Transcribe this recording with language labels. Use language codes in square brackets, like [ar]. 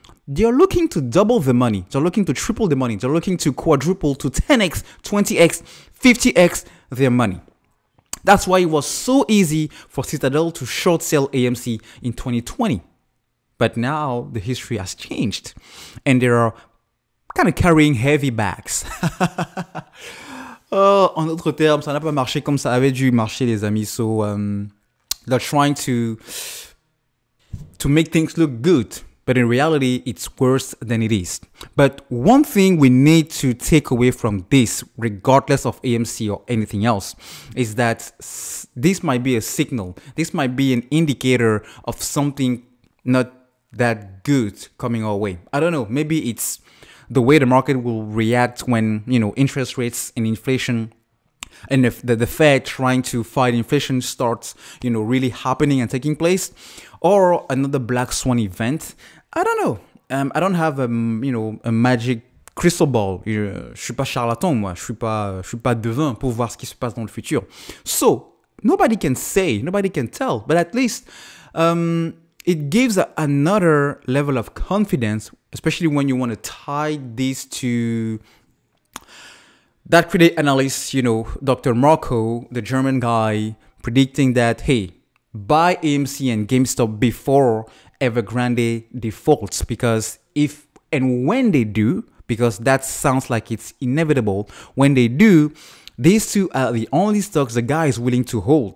[en] They're looking to double the money. They're looking to triple the money. They're looking to quadruple to 10x, 20x, 50x their money. That's why it was so easy for Citadel to short sell AMC in 2020. But now the history has changed and they are kind of carrying heavy bags. [fr] Oh, en d'autres termes, ça n'a pas marché comme ça avait dû marcher, les amis. [en] So, they're trying to make things look good. But in reality, it's worse than it is. But one thing we need to take away from this, regardless of AMC or anything else, is that this might be a signal. This might be an indicator of something not that good coming our way. I don't know. Maybe it's the way the market will react when, you know, interest rates and inflation and if the Fed trying to fight inflation starts, you know, really happening and taking place, or another black swan event. I don't know. I don't have a magic crystal ball. [fr] Je suis pas charlatan, moi. Je suis pas devin pour voir ce qui se passe dans le futur. [en] So nobody can say, nobody can tell. But at least it gives another level of confidence, especially when you want to tie this to that credit analyst, you know, Dr. Marco, the German guy, predicting that, hey, buy AMC and GameStop before Evergrande defaults, because if and when they do, because that sounds like it's inevitable, when they do, these two are the only stocks the guy is willing to hold.